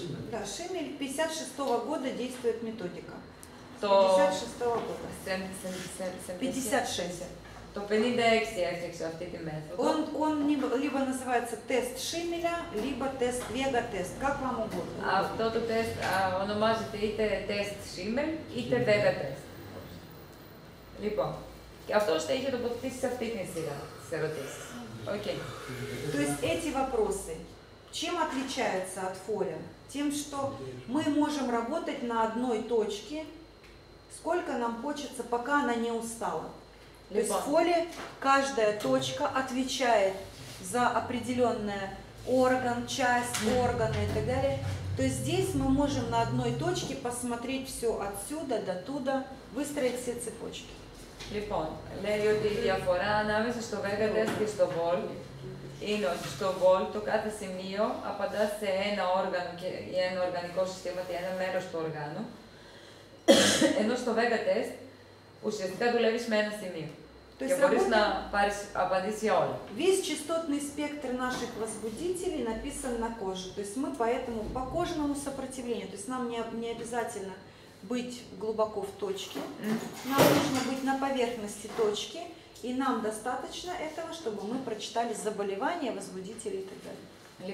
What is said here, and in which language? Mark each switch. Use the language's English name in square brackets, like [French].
[Russian] Да, Шимель 56-го года действует методика. 56-го года. 56. [Greek] Το 56 έφτιαξε αυτή τη μέθοδο. [Russian] Он либо называется тест Шимеля, либо тест Вега тест. Как вам угодно. [Greek] Αυτό το тест ονομάζεται είτε тест Шимель, είτε Вега тест. Λοιπόν, και αυτό θα είχε τοποθετήσει σε αυτή τη σειρά τις ερωτήσεις. [English] Okay. [Russian] То есть эти вопросы, чем отличаются от фоля? Тем, что мы можем работать на одной точке, сколько нам хочется, пока она не устала. То есть в фоле каждая точка отвечает за определенный орган, часть органа и так далее. То есть здесь мы можем на одной точке посмотреть все отсюда до туда, выстроить все цепочки. [Greek] Λοιπόν, λέει ότι η διαφορά ανάμεσα στο Vega Test και στο VOL είναι ότι στο VOL το κάθε σημείο απαντά σε ένα όργανο και ένα οργανικό σύστημα ή ένα μέρος του οργάνου, ενώ στο Vega Test ουσιαστικά δουλεύεις με ένα σημείο και μπορείς να πάρεις απαντήσεις για όλα. [Russian] Весь частотный спектр наших возбудителей написан на коже. То есть мы поэтому по кожному сопротивлению, то есть нам не обязательно быть глубоко в точке, нам нужно быть на поверхности точки, и нам достаточно этого, чтобы мы прочитали заболевания, возбудители и так далее.